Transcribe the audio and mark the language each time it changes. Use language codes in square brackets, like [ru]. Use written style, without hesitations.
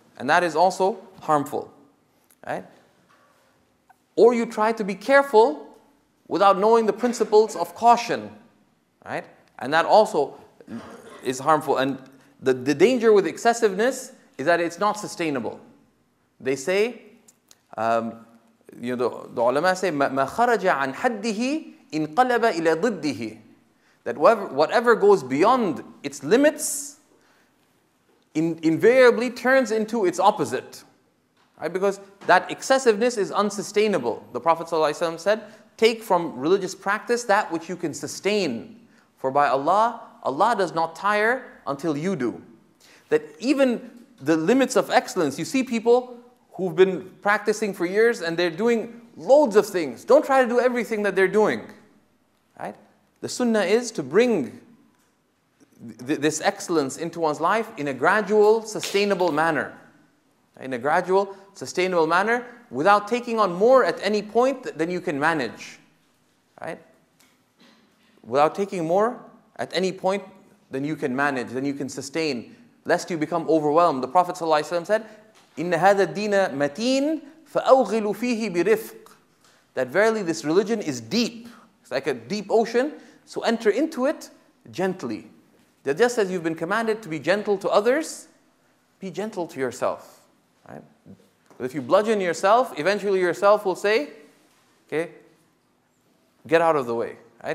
[en] And that is also harmful, right? Or you try to be careful without knowing the principles of caution, right? And that also is harmful. And the danger with excessiveness is that it's not sustainable. They say, the ulama say, [ar] مَا خَرَجَ عَنْ حَدِّهِ إِنْقَلَبَ إِلَى ضِدِّهِ. [en] That whatever goes beyond its limits invariably turns into its opposite. Right? Because that excessiveness is unsustainable. The Prophet ﷺ said, take from religious practice that which you can sustain. For by Allah, Allah does not tire until you do. That even the limits of excellence, you see people who've been practicing for years and they're doing loads of things. Don't try to do everything that they're doing. Right? The sunnah is to bring this excellence into one's life in a gradual, sustainable manner. In a gradual, sustainable manner, without taking on more at any point than you can manage. Right? Without taking more at any point than you can manage, than you can sustain, lest you become overwhelmed. The Prophet ﷺ said, [ar] إِنَّ هَذَا الدِّينَ مَتِينَ فَأَوْغِلُ فِيهِ بِرِفْقٍ. [en] That verily this religion is deep. It's like a deep ocean. So enter into it gently. That just as you've been commanded to be gentle to others, be gentle to yourself. Right? But if you bludgeon yourself, eventually yourself will say, okay, get out of the way. Right?